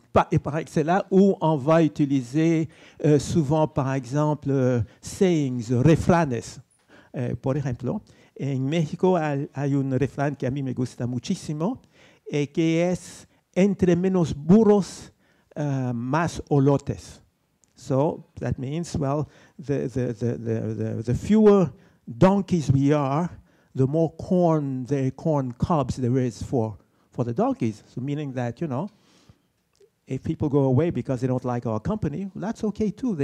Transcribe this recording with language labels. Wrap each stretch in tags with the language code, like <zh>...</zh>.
<fr>Et c'est là où on va utiliser souvent, par exemple, sayings, refranes.</fr> <es>Por ejemplo, en México hay un refrán que a mí me gusta muchísimo, et que es entre menos burros, más olotes.</es> <en>So that means, well, the fewer donkeys we are, the more corn cobs there is for the donkeys. So meaning that, you know, if people go away because they don't like our company, that's okay too.</en>